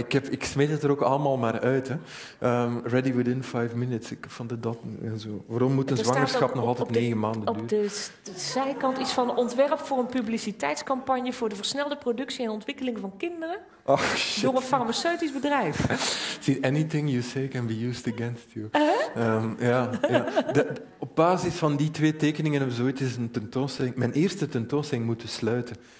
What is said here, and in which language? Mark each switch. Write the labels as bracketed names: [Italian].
[Dutch] Ik smeet het er ook allemaal maar uit. Hè. [English] Ready within 5 minutes. [Dutch] Ik vond het dat en zo. Waarom moet een zwangerschap nog altijd 9 maanden duren? Op de zijkant iets van ontwerp voor een publiciteitscampagne voor de versnelde productie en ontwikkeling van kinderen. [English] Oh, shit. [Dutch] Door een farmaceutisch bedrijf. [English] See, anything you say can be used against you. Uh-huh. [Dutch] Op basis van die twee tekeningen hebben we zoiets is een tentoonstelling. Mijn eerste tentoonstelling moeten sluiten.